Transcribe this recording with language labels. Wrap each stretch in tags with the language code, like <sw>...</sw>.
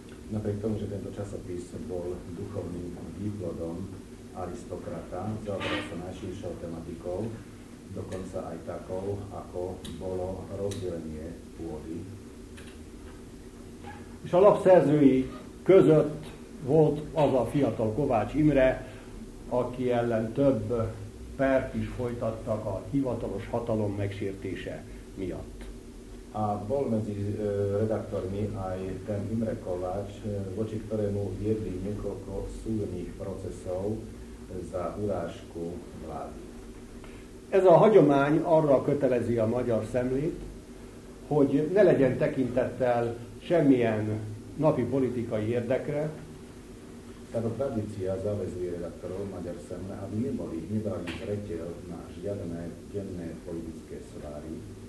<sk>Napriek tomu, že tento časopis bol duchovným výplodom aristokrata, zaoberal sa najširšou tematikou, dokonca aj takou, ako bolo rozdelenie pôdy.</sk> <hu>És a lap szerzői között volt az a fiatal Kovács Imre, aki ellen több pert is folytattak a hivatalos hatalom megsértése miatt.</hu> <sk>A bol medzi redaktormi aj ten Imre Kováč, voči ktorému viedli niekoľko súdnych procesov za urážku vlády.</sk> <hu>Ez a hagyomány arra kötelezi a magyar szemlét, hogy ne legyen tekintettel semmilyen napi politikai érdekre.</hu> <sk>Tehát a tradícia zavezuje redaktorov magyar szemle, aby nebrali retiel na žiadne denné politické svári.</sk>